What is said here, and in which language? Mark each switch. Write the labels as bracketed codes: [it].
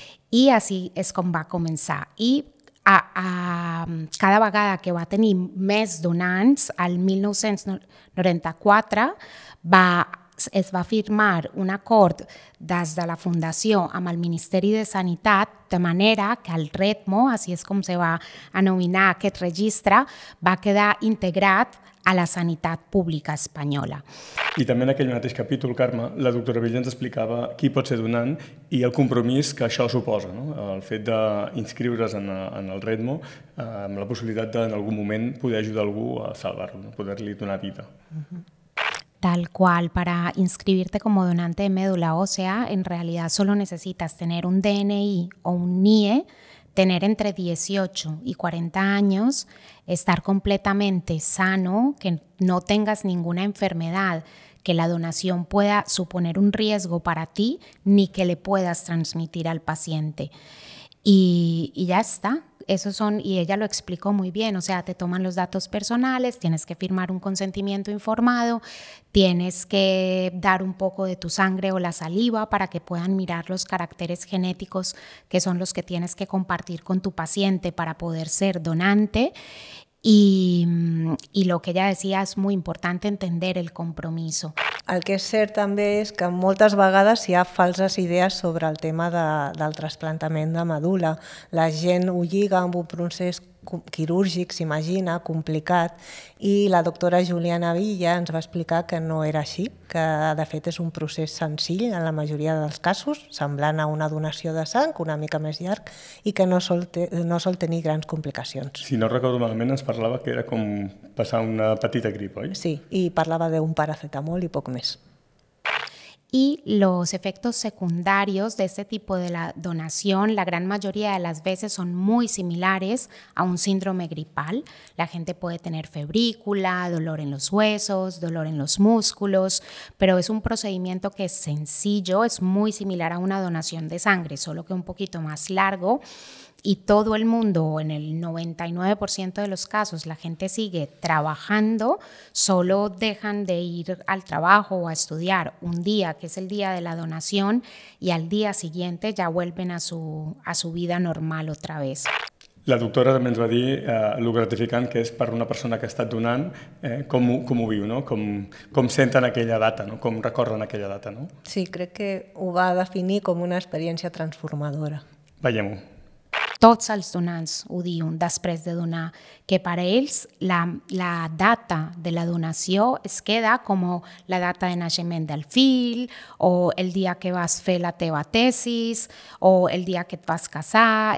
[ca] I així és com va començar. I cada vegada que va tenir més donants, el 1994 es va firmar un acord des de la Fundació amb el Ministeri de Sanitat, de manera que el RETMO, així és com es va anomenar aquest registre, va quedar integrat a la sanitat pública espanyola. I també en aquell mateix capítol, Carme, la doctora Villa ens explicava qui pot ser donant i el compromís que això suposa, no? El fet d'inscriure's en el RETMO amb la possibilitat d'en algun moment poder ajudar algú a salvar-lo, no? Poder-li donar vida. Uh-huh. [es] Tal cual, para inscribirte como donante de médula ósea, en realidad solo necesitas tener un DNI o un NIE, tener entre 18 y 40 años, estar completamente sano, que no tengas ninguna enfermedad, que la donación pueda suponer un riesgo para ti, ni que le puedas transmitir al paciente. Y ya está. Y ella lo explicó muy bien, o sea, te toman los datos personales, tienes que firmar un consentimiento informado, tienes que dar un poco de tu sangre o la saliva para que puedan mirar los caracteres genéticos que son los que tienes que compartir con tu paciente para poder ser donante. [ca] I el que ella decía és molt important entendre el compromís. El que és cert també és que moltes vegades hi ha falses idees sobre el tema del trasplantament de medula. La gent ho lliga amb un procés quirúrgic, s'imagina, complicat, i la doctora Juliana Villa ens va explicar que no era així, que de fet és un procés senzill en la majoria dels casos, semblant a una donació de sang, una mica més llarg, i que no sol tenir grans complicacions. Si no recordo malament, ens parlava que era com passar una petita grip, oi? Sí, i parlava d'un paracetamol i poc més. [es] Y los efectos secundarios de este tipo de la donación, la gran mayoría de las veces son muy similares a un síndrome gripal. La gente puede tener febrícula, dolor en los huesos, dolor en los músculos, pero es un procedimiento que es sencillo, es muy similar a una donación de sangre, solo que un poquito más largo. Y todo el mundo, en el 99% de los casos, la gente sigue trabajando, solo dejan de ir al trabajo o a estudiar un día, que es el día de la donación, y al día siguiente ya vuelven a su vida normal otra vez. [ca] La doctora també ens va dir lo gratificant que és per una persona que ha estat donant, com ho viu, no? com senten aquella data, no? Com recorren aquella data. No? Sí, crec que ho va definir com una experiència transformadora. Veiem-ho. Tots els donants ho diuen després de donar, que per ells la data de la donació es queda com la data de naixement del fill, o el dia que vas fer la teva tesis, o el dia que et vas casar.